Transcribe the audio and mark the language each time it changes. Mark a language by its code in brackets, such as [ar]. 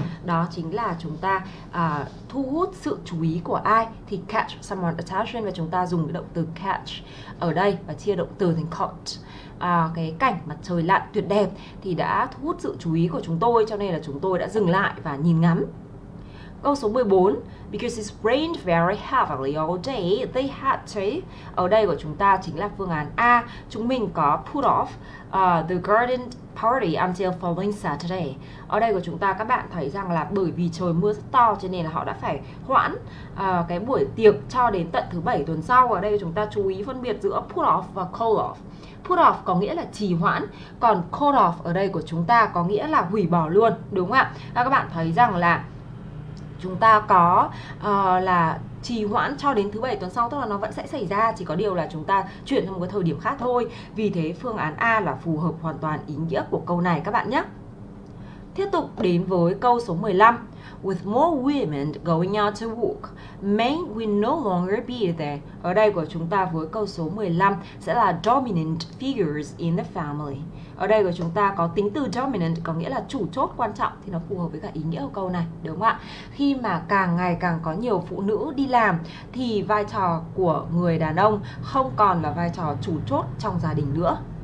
[vi] Đó chính là chúng ta thu hút sự chú ý của ai thì [en] catch someone attention, [vi] và chúng ta dùng cái động từ catch ở đây và chia động từ thành caught. Cái cảnh mặt trời lặn tuyệt đẹp thì đã thu hút sự chú ý của chúng tôi, cho nên là chúng tôi đã dừng lại và nhìn ngắm. Câu số 14, [en] because it rained very heavily all day, they had to. [vi] Ở đây của chúng ta chính là phương án A. Chúng mình có [en] put off the garden party until following Saturday. [vi] Ở đây của chúng ta các bạn thấy rằng là bởi vì trời mưa rất to cho nên là họ đã phải hoãn cái buổi tiệc cho đến tận thứ bảy tuần sau. Ở đây chúng ta chú ý phân biệt giữa put off và call off. Put off có nghĩa là trì hoãn, còn call off ở đây của chúng ta có nghĩa là hủy bỏ luôn, đúng không ạ? Và các bạn thấy rằng là chúng ta có là trì hoãn cho đến thứ bảy tuần sau, tức là nó vẫn sẽ xảy ra, chỉ có điều là chúng ta chuyển sang một cái thời điểm khác thôi. Vì thế phương án A là phù hợp hoàn toàn ý nghĩa của câu này các bạn nhé. Tiếp tục đến với câu số 15. [en] With more women going out to work, men will no longer be there. [vi] Ở đây của chúng ta với câu số 15 sẽ là [en] dominant figures in the family. [vi] Ở đây của chúng ta có tính từ dominant có nghĩa là chủ chốt, quan trọng, thì nó phù hợp với cả ý nghĩa của câu này, đúng không ạ? Khi mà càng ngày càng có nhiều phụ nữ đi làm thì vai trò của người đàn ông không còn là vai trò chủ chốt trong gia đình nữa.